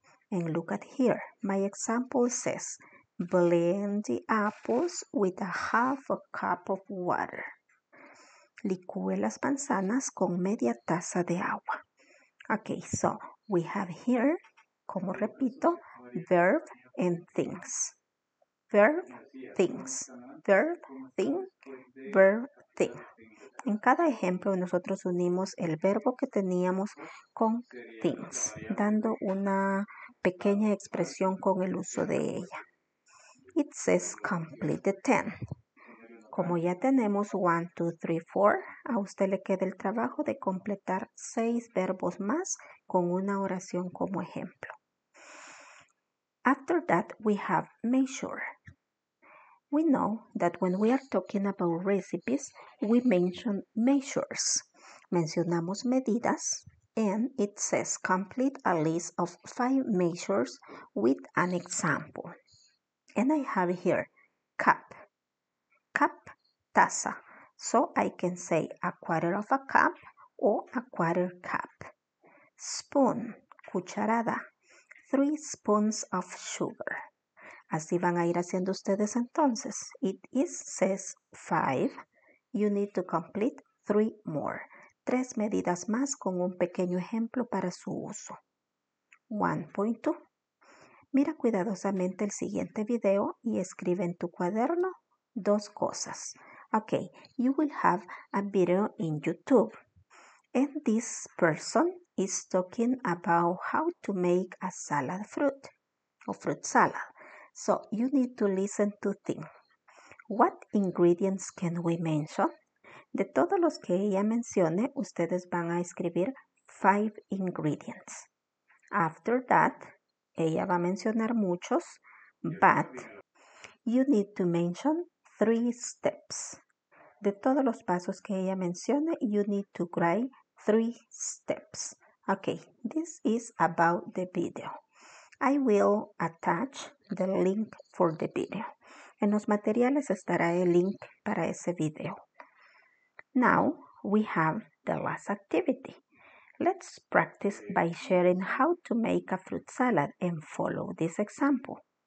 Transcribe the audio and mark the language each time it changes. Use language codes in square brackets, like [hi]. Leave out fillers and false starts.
[en] And look at here, my example says, blend the apples with a half a cup of water. [es] Licúe las manzanas con media taza de agua. [en] Okay, so we have here, [es] como repito, [en] verb and things. Verb, things. Verb, thing. Verb, thing. [es] En cada ejemplo nosotros unimos el verbo que teníamos con things, dando una pequeña expresión con el uso de ella. [en] It says complete the 10. [es] Como ya tenemos 1, 2, 3, 4, a usted le queda el trabajo de completar 6 verbos más con una oración como ejemplo. [en] After that, we have measure. We know that when we are talking about recipes, we mention measures. [es] Mencionamos medidas [en] and it says complete a list of 5 measures with an example. And I have here, cup, cup, taza. So I can say a quarter of a cup or a quarter cup. Spoon, cucharada, 3 spoons of sugar. [es] Así van a ir haciendo ustedes entonces. [en] It is, says 5. You need to complete 3 more. [es] 3 medidas más con un pequeño ejemplo para su uso. 1.2. Mira cuidadosamente el siguiente video y escribe en tu cuaderno dos cosas. [en] Okay, you will have a video in YouTube. And this person is talking about how to make a salad fruit or fruit salad. So you need to listen to things. What ingredients can we mention? [es] De todos los que ella mencione, ustedes van a escribir 5 ingredients. [en] After that, [es] ella va a mencionar muchos, [en] but you need to mention 3 steps. [es] De todos los pasos que ella mencione, [en] you need to grind 3 steps. Okay, this is about the video. I will attach the link for the video. [es] En los materiales estará el link para ese video. [en] Now, we have the last activity. Let's practice by sharing how to make a fruit salad and follow this example.